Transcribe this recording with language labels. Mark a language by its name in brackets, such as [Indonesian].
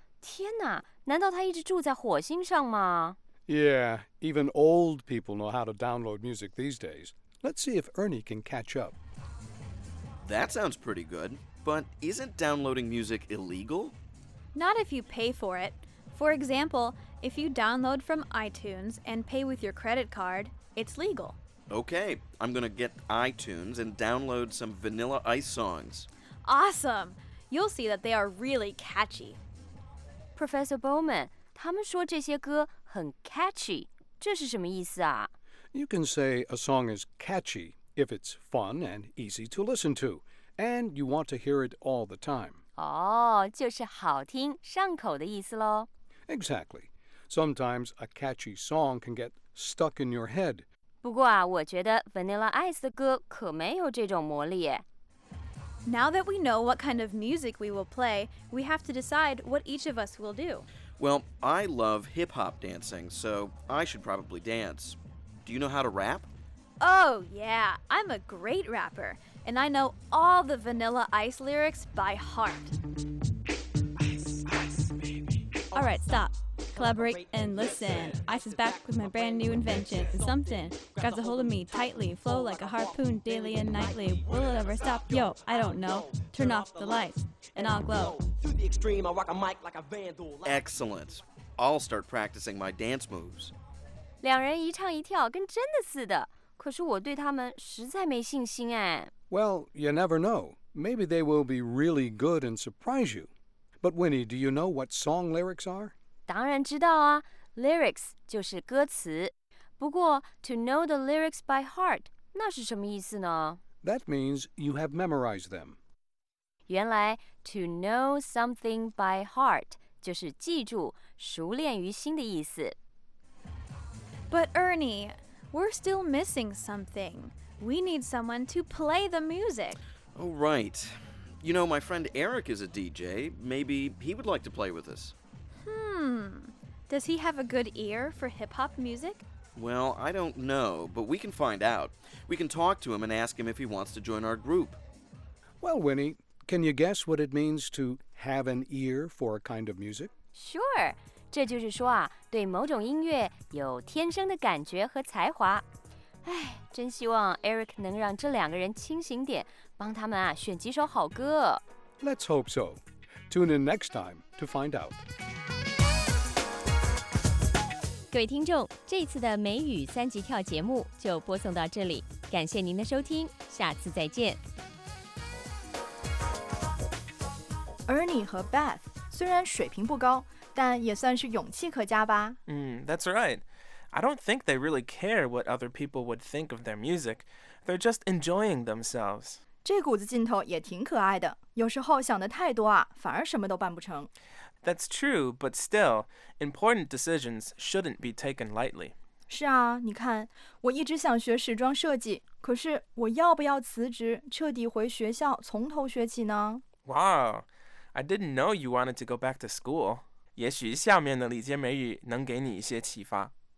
[Chinese] 天哪，难道他一直住在火星上吗？ [English] Yeah, even old people know how to download music these days. Let's see if Ernie can catch up. That sounds pretty good, but isn't downloading music illegal? Not if you pay for it. For example, if you download from iTunes and pay with your credit card, it's legal. Okay, I'm gonna get iTunes and download some Vanilla Ice songs. Awesome! You'll see that they are really catchy. [Chinese] Professor Bowman, 他们说这些歌很 catchy, 这是什么意思啊? [English] You can say a song is catchy if it's fun and easy to listen to, and you want to hear it all the time. [Chinese] 哦,就是好听,上口的意思咯。 [English] Exactly. Sometimes a catchy song can get stuck in your head. [Chinese] 不过啊，我觉得 Vanilla Ice 的歌可没有这种魔力耶。 [English] Now that we know what kind of music we will play, we have to decide what each of us will do. Well, I love hip-hop dancing, so I should probably dance. Do you know how to rap? Oh, yeah, I'm a great rapper, and I know all the Vanilla Ice lyrics by heart. All right, stop. Collaborate and listen. Ice is back with my brand new invention. And something grabs a hold of me tightly. Flow like a harpoon daily and nightly. Will it ever stop? Yo, I don't know. Turn off the lights and I'll glow. Excellent. I'll start practicing my dance moves. [Chinese] 两人一唱一跳跟真的似的，可是我对他们实在没信心哎。 [English] Well, you never know. Maybe they will be really good and surprise you. But Winnie, do you know what song lyrics are? [Chinese] 当然知道啊 ,lyrics 就是歌词。不过 , [English] to know the lyrics by heart, [Chinese] 那是什么意思呢 [English] ?That means you have memorized them. [Chinese] 原来 , [English] to know something by heart, [Chinese] 就是记住熟练于心的意思。 [English] But Ernie, we're still missing something. We need someone to play the music. Oh, right. You know, my friend Eric is a DJ. Maybe he would like to play with us. Does he have a good ear for hip-hop music? Well, I don't know, but we can find out. We can talk to him and ask him if he wants to join our group. Well, Winnie, can you guess what it means to have an ear for a kind of music? Sure. [Chinese] 这就是说啊，对某种音乐有天生的感觉和才华。唉，真希望 Eric 能让这两个人清醒点，帮他们啊选几首好歌。 [English] Let's hope so. Tune in next time to find out. [Chinese] 各位听众，这次的美语三级跳节目就播送到这里，感谢您的收听，下次再见。 Ernie 和 Beth 虽然水平不高，但也算是勇气可嘉吧。 [English] That's right. I don't think they really care what other people would think of their music. They're just enjoying themselves. [Chinese] 这股子劲头也挺可爱的，有时候想得太多啊，反而什么都办不成。 [English] That's true, but still, important decisions shouldn't be taken lightly. [Chinese] 是啊，你看，我一直想学时装设计，可是我要不要辞职，彻底回学校，从头学起呢？ [English] Wow, I didn't know you wanted to go back to school. [Chinese] 也许下面的理解美语能给你一些启发。